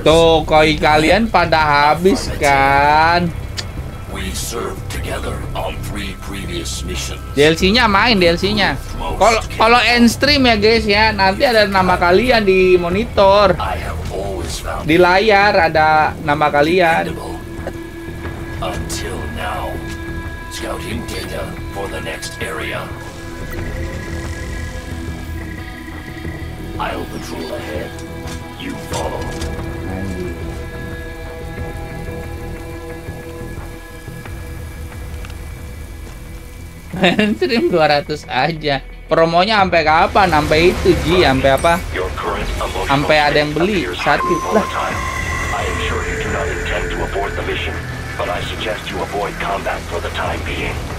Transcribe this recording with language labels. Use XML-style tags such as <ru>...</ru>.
<id>Tuh, koi kalian pada habis kan?</id> <en>We served together on three previous missions.</en> <id>DLC-nya main, DLC-nya. Kalau end stream ya guys ya, nanti ada nama kalian di monitor.</id> <en>I have always</en> <id>Di layar ada nama kalian.</id> <en>Until now, scouting data for the next area. I'll patrol ahead. You follow.</en> <id>Mainstream 200 aja. Promonya sampai kapan? Sampai itu, Ji, sampai apa? Sampai ada yang beli satu lah.</id> <en>I am sure you do not intend to abort the mission, but I suggest you avoid combat for the time being.</en>